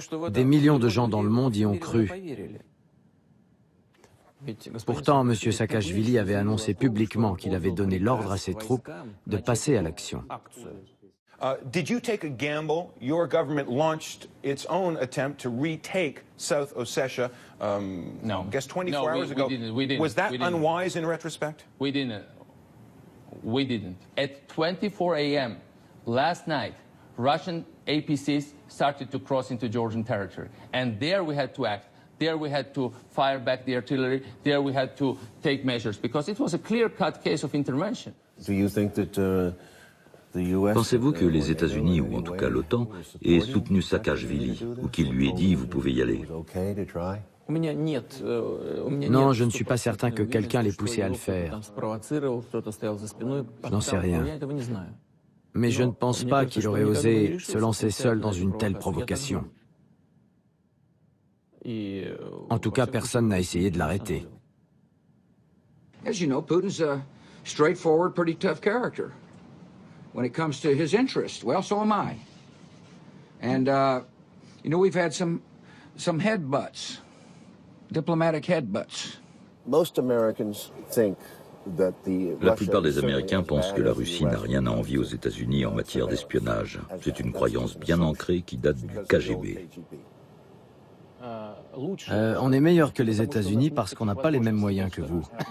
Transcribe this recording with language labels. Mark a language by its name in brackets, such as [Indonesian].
[French] Des millions de gens dans le monde y ont cru. Pourtant, M. Saakashvili avait annoncé publiquement qu'il avait donné l'ordre à ses troupes de passer à l'action. [English] Did you take a gamble? Your government launched its own attempt to retake South Ossetia. No. I guess 24 hours ago. We didn't. Was that unwise in retrospect? We didn't. We didn't. At 24 a.m. last night, Russian APCs started to cross into Georgian territory. And there we had to act. There we had to fire back the artillery. There we had to take measures, because it was a clear-cut case of intervention. Do you think that [French] Pensez-vous que les États-Unis, ou en tout cas l'OTAN, aient soutenu Saakashvili, ou qu'il lui ait dit « vous pouvez y aller » ? Non, je ne suis pas certain que quelqu'un l'ait poussé à le faire. Je n'en sais rien. Mais je ne pense pas qu'il aurait osé se lancer seul dans une telle provocation. En tout cas, personne n'a essayé de l'arrêter. [English] As you know, Putin's a straightforward, pretty tough character. When it comes to his interests, well, so am I. And, you know, we've had some headbutts, diplomatic headbutts. Most Americans think that the [French] La plupart des Américains pensent que la Russie n'a rien à envier aux États-Unis en matière d'espionnage. C'est une croyance bien ancrée qui date du KGB. On est meilleur que les États-Unis parce qu'on n'a pas les mêmes moyens que vous.